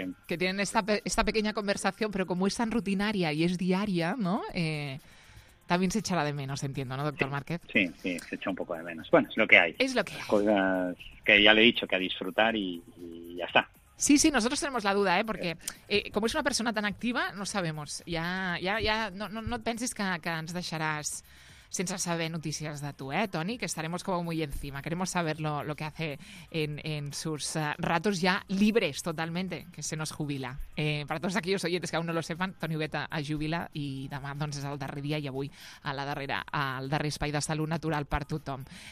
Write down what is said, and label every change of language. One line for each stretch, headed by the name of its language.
Spanish: tienen esta pequeña conversación, pero como es tan rutinaria y es diaria, ¿no? También se echará de menos, entiendo, ¿no, doctor Márquez? Sí, se echa un poco de menos. Bueno, es lo que hay. Es lo que hay. Cosas que ya le he dicho, que a disfrutar y ya está. Sí, nosotros tenemos la duda, ¿eh? Porque como es una persona tan activa, no sabemos.
Catalan: Ya no penses que ens deixaràs sense saber notícies de tu, ¿eh, Toni?
Spanish: Que estaremos como muy encima. Queremos saber lo que hace en sus ratos ya libres totalmente, que se nos jubila. Para todos aquellos oyentes que aún no lo sepan,
Catalan: Toni Huguet es jubila i demà, doncs, és el darrer dia i avui a la darrera, al darrer espai de salut natural per tothom.